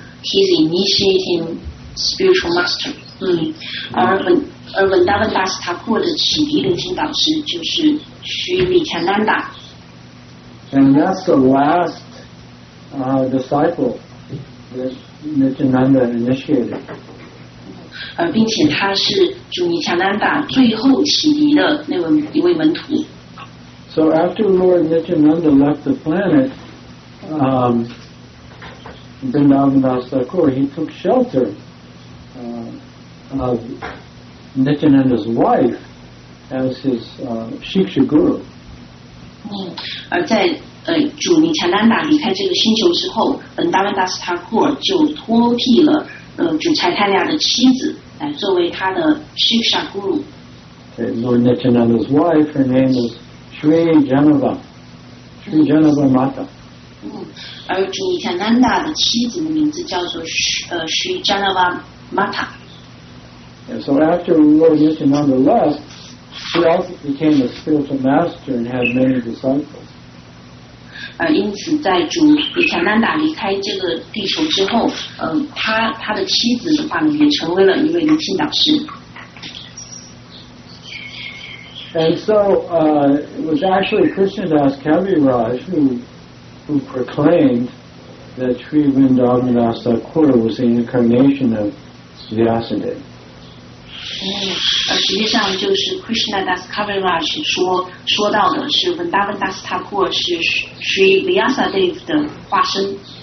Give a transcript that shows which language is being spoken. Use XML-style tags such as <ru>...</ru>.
<en>He's initiating spiritual mastery.</en> <zh>而 Vrindavan Das Thakur 的启迪灵性导师就是 Sri Nityananda.</zh> <en>And that's the last disciple that Nityananda initiated.</en> <zh>并且他是主尼强南达最后启迪的那位一位门徒。</zh> <en>So after Lord Nityananda left the planet, Vrindavan Das Thakur, he took shelter of Nityananda's wife as his shiksha guru.</en> <zh>而在主尼强南达离开这个星球之后，Vrindavan Das Thakur 就脱替了主柴坦亚的妻子。作为他的 Shiksha Guru.</zh> <en>Okay, Lord Nityananda's wife, her name is Sri Janava. Sri Janava Mata.</en> <zh>而主尼强南达的妻子的名字叫做 Sri Janava Mata.</zh> <en>And so after Lord Nityananda left, she also became a spiritual master and had many disciples.</en> <zh>因此在主尼强南达离开这个地球之后，他的妻子的话呢，也成为了一位灵性导师。</zh> <en>And so, it was actually Krishnadas Kaviraj who proclaimed that Sri Vrindavan Das Thakur was the incarnation of Vyasadeva.</en> <zh>实际上就是 Krishnadas Kaviraj 说到的是 Vrindavan Das Thakur 是 Sri Vyasadeva 的化身。</zh>